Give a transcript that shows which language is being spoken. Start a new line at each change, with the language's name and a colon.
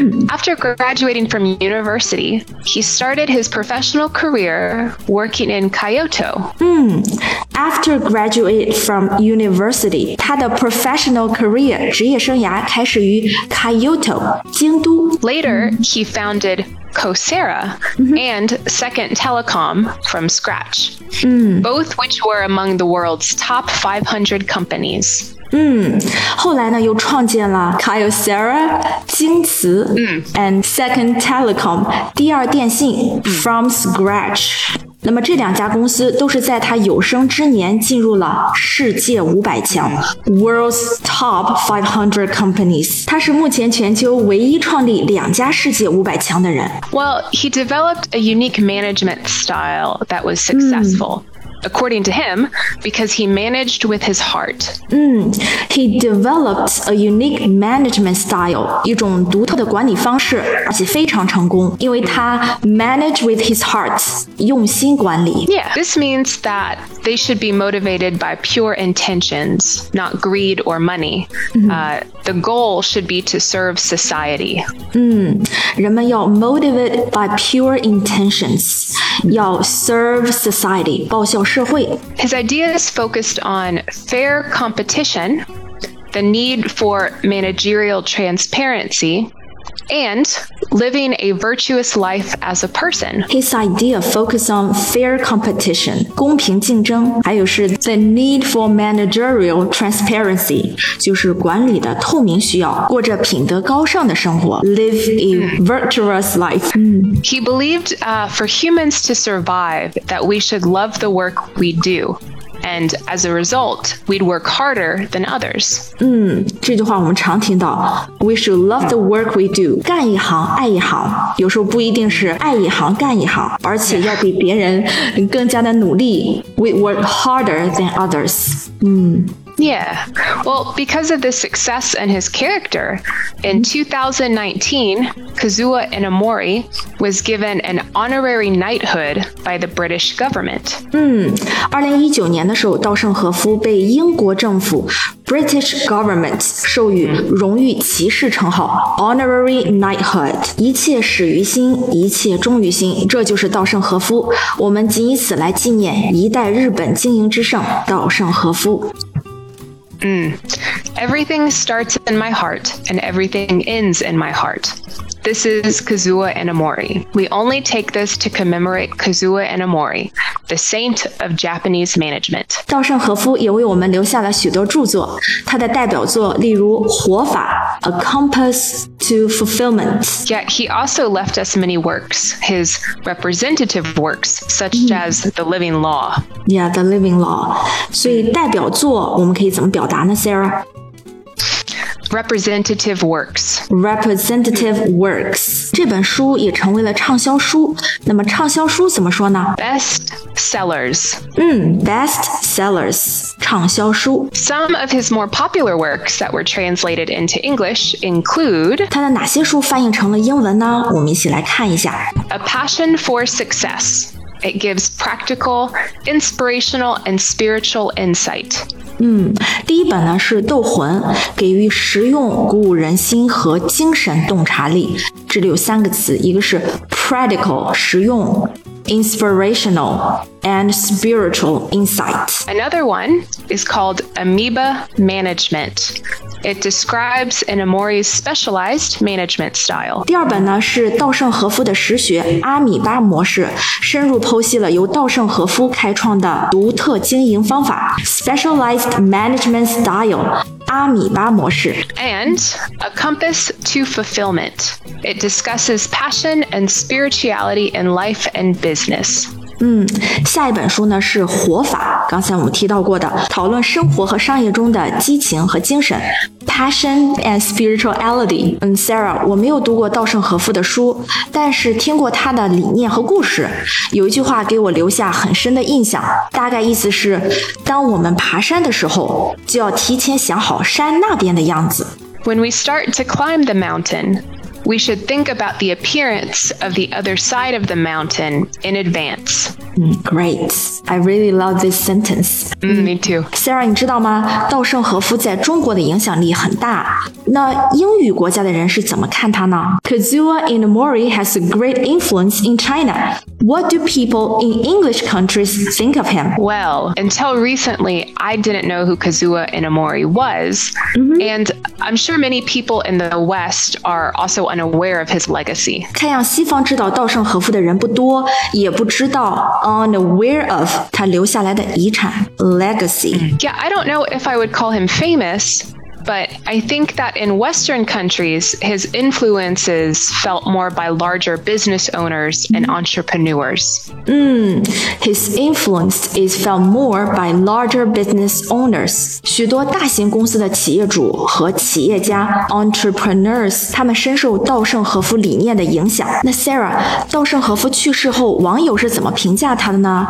English: After graduating from university, he started his professional career working in Kyoto. After graduate from university,
Chinese: 他的
English: professional career
Chinese: 职业生涯开始于
English: Kyoto, 京都。 Later, he founded Kyocera and Second Telecom from scratch, both which were among the world's top 500 companies.
Chinese: 后来呢又创建了 Kyocera, 京瓷、and Second Telecom, 第二电信、
English: from scratch.
Chinese: 那么这两家公司都是在他有生之年进入了世界五百强
English: World's Top 500 Companies.
Chinese: 他是目前全球唯一创立两家世界五百强的人。
English: Well, he developed a unique management style that was successful. According to him, because he managed with his heart. He developed a unique management style,
Chinese: 一种独特的管理方式，而且非常成功，因为他
English: managed with his heart,
Chinese: 用心管理。
English: Yeah, this means that they should be motivated by pure intentions, not greed or money. The goal should be to serve society.
Chinese: 人们要
English: motivated by pure intentions.
Chinese: 要
English: serve society,
Chinese: 报效社会。
English: His ideas focused on fair competition, the need for managerial transparency, and living a virtuous life as a person. His idea focused on fair competition,
Chinese: 公平竞争，还有是
English: the need for managerial transparency,
Chinese: 就是管理的透明需要，过着品德高尚的生活，
English: live a virtuous life. He believed, for humans to survive, that we should love the work we do, And as a result, we'd work harder than others.
Chinese: 这句话我们常听到。
English: We should love the work we do.
Chinese: 干一行爱一行。有时候不一定是爱一行干一行。而且要比别人更加的努力。
English: We work harder than others. Yeah. Well, because of the success and his character, in 2019, Kazuo Inamori was given an honorary knighthood by the British government.
Chinese: 2019年的时候，稻盛和夫被英国政府
English: British government
Chinese: 授予荣誉骑士称号
English: Honorary knighthood.
Chinese: 一切始于心，一切终于心，这就是稻盛和夫。我们仅以此来纪念一代日本经营之圣稻盛和夫。
English: Everything starts in my heart and everything ends in my heart. This is Kazuo Inamori. We only take this to commemorate Kazuo Inamori, the saint of Japanese management.
Chinese: 稻盛和夫也为我们留下了许多著作，他的代表作例如活法 A Compass to Fulfillment.
English: Yet he also left us many works, his representative works, such as The Living Law. Yeah, The Living Law.
Chinese: 所以代表作我们可以怎么表达呢 Sarah?
English: Representative works. Representative works.
Chinese: 这本书也成为了畅销书。那么畅销书怎么说呢？
English: Best sellers. Best sellers.
Chinese: 畅销书。
English: Some of his more popular works that were translated into English include.
Chinese: 他的哪些书翻译成了英文呢？我们一起来看一下。
English: A Passion for Success. It gives practical, inspirational, and spiritual insight.
Chinese: 第一本呢是斗魂，给予实用鼓舞人心和精神洞察力。这里有三个词，一个是 practical, 实用
English: inspirational, and spiritual insight. Another one is called Amoeba Management. It describes Inamori's specialized management style.
Chinese: 第二本呢是稻盛和夫的实学阿米巴模式，深入剖析了由稻盛和夫开创的独特经营方法
English: specialized management style,
Chinese: 阿米巴模式。
English: And A Compass to Fulfillment. It discusses passion and spirituality in life and business.
Chinese: 下一本书呢是活法，刚才我们提到过的，讨论生活和商业中的激情和精神
English: Passion and Spirituality.
Chinese: Sarah, 我没有读过稻盛和夫的书，但是听过他的理念和故事，有一句话给我留下很深的印象，大概意思是，当我们爬山的时候，就要提前想好山那边的样子。
English: When we start to climb the mountain,We should think about the appearance of the other side of the mountain in advance. Great. I really love this sentence. Me too.
Chinese: Sarah, 你知道吗？稻盛和夫在中国的影响力很大。那英语国家的人是怎么看他呢？
English: Kazuo Inamori has a great influence in China. What do people in English countries think of him? Well, until recently, I didn't know who Kazuo Inamori was. And I'm sure many people in the West are also unaware of his legacy.
Chinese: 看样西方知道稻盛和夫的人不多，也不知道
English: unaware of
Chinese: 他留下来的遗产 legacy.
English: Yeah, I don't know if I would call him famous, but I think that in Western countries, his influence is felt more by larger business owners and entrepreneurs. His influence is felt more by larger business owners.
Chinese: 许多大型公司的企业主和企业家 entrepreneurs, 他们深受稻盛和夫理念的影响。那 Sarah, 稻盛和夫去世后网友是怎么评价他的呢？